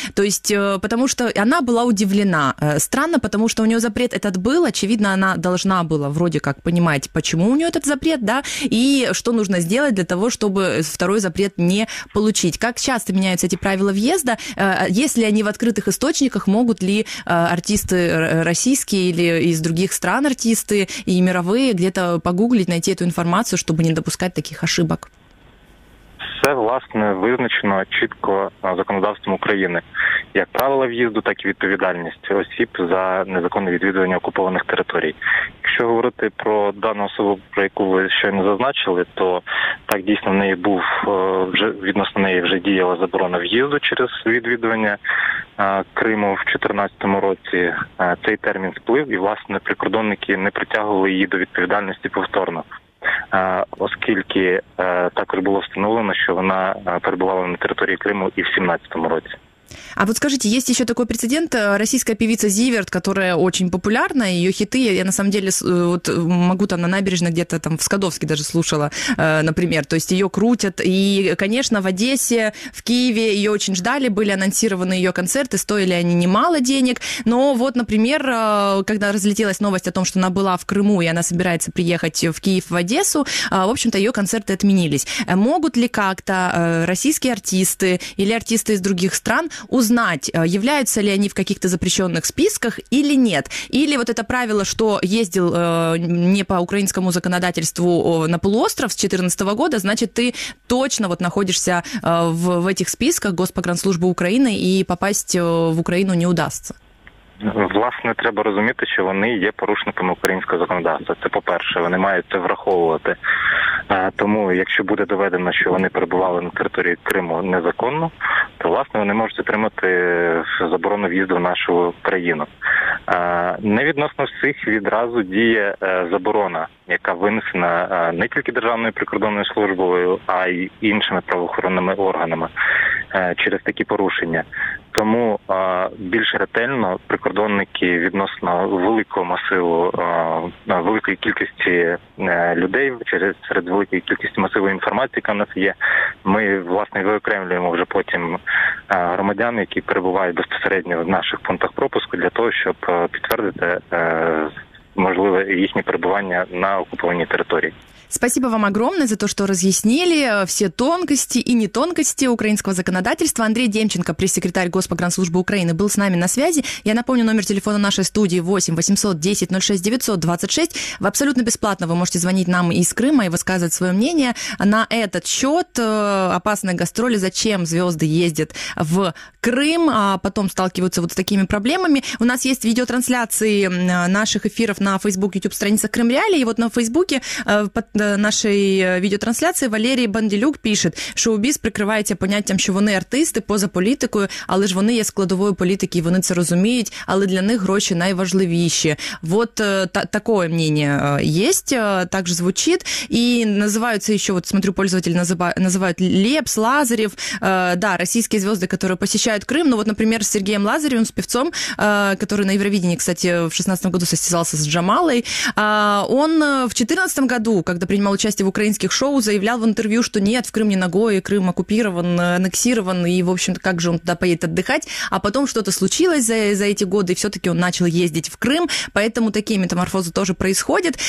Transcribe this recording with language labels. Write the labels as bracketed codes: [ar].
[ru] То есть, потому что она была удивлена. Странно, потому что у нее запрет этот был, очевидно, она должна была вроде как понимать, почему у нее этот запрет, да, и что нужно сделать для того, чтобы второй запрет не получить. Как часто меняются эти правила въезда? Если они в открытых источниках, могут ли артисты российские или из других стран артисты и мировые где-то погуглить, найти эту информацию, чтобы не допускать таких ошибок? [uk] Все, власне, визначено чітко законодавством України. Як правила в'їзду, так і відповідальність осіб за незаконне відвідування окупованих територій. Якщо говорити про дану особу, про яку ви щойно зазначили, то так дійсно в неї був, вже відносно неї вже діяла заборона в'їзду через відвідування Криму в 2014 році. Цей термін сплив, і, власне, прикордонники не притягували її до відповідальності повторно. Оскільки також було встановлено, що вона перебувала на території Криму і в 17-му році. [ru] А вот скажите, есть еще такой прецедент, российская певица Зиверт, которая очень популярна, ее хиты, я на самом деле вот могу там на набережной где-то там в Скадовске даже слушала, например, то есть ее крутят, и, конечно, в Одессе, в Киеве ее очень ждали, были анонсированы ее концерты, стоили они немало денег, но вот, например, когда разлетелась новость о том, что она была в Крыму, и она собирается приехать в Киев, в Одессу, в общем-то, ее концерты отменились. Могут ли как-то российские артисты или артисты из других стран узнать, являются ли они в каких-то запрещенных списках или нет. Или вот это правило, что ездил не по украинскому законодательству на полуостров с 2014 года, значит, ты точно вот находишься в этих списках Госпогранслужбы Украины, и попасть в Украину не удастся. Власне, треба розуміти, що вони є порушниками українського законодавства. Це по-перше, вони мають це враховувати. Тому, якщо буде доведено, що вони перебували на території Криму незаконно, то, власне, вони можуть отримати заборону в'їзду в нашу країну. Не відносно всіх відразу діє заборона, яка винесена не тільки Державною прикордонною службою, а й іншими правоохоронними органами через такі порушення. Тому більш ретельно прикордонники відносно великого масиву, великої кількості людей, серед великої кількості масиву інформації, яка в нас є, ми, власне, виокремлюємо вже потім громадян, які перебувають безпосередньо в наших пунктах пропуску, для того, щоб підтвердити можливе їхнє перебування на окупованій території. Спасибо вам огромное за то, что разъяснили все тонкости и нетонкости украинского законодательства. Андрей Демченко, пресс-секретарь Госпогранслужбы Украины, был с нами на связи. Я напомню, номер телефона нашей студии 8 800 10 06 926. В абсолютно бесплатно вы можете звонить нам из Крыма и высказывать свое мнение на этот счет. Опасные гастроли, зачем звезды ездят в Крым, а потом сталкиваются вот с такими проблемами. У нас есть видеотрансляции наших эфиров на Facebook, YouTube страница Крым Реалии. И вот на Facebook [uk] нашей відеотрансляції Валерій Банділюк пише, шоу-біз прикривається поняттям, що вони артисти поза політикою, але ж вони є складовою політики, і вони це розуміють, але для них гроші найважливіші. От таке мнення є, так звучить, і називають це, що, от смотрю, пользователі називають Лепс, Лазарєв, да, російські зв'язки, які посещають Крим, ну, от, наприклад, з Сергієм Лазарєвим, з співцом, який на Євровидении, [ru] кстати, в 16-м году состязался с Джамалой. Он в 14-м году, когда принимал участие в украинских шоу, заявлял в интервью, что нет, в Крым не ногой, Крым оккупирован, аннексирован, и, в общем-то, как же он туда поедет отдыхать. А потом что-то случилось за эти годы, и все-таки он начал ездить в Крым, поэтому такие метаморфозы тоже происходят.